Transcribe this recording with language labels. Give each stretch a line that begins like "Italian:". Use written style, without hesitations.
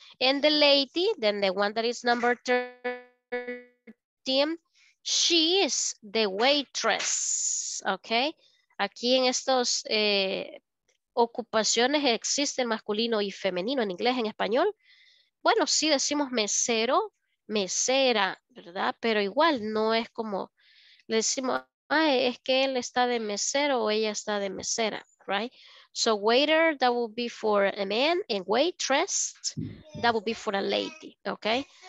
English: And the lady, then the one that is number 13, she is the waitress.
Spanish: Okay, aquí en estos ocupaciones existen masculino y femenino en inglés, en español. Bueno, sí decimos mesero, mesera, ¿verdad? Pero igual no es como le decimos, ay, es que él está de mesero o ella está de mesera, right?
English: So waiter, that would be for a man, and waitress, that would be for a lady, okay?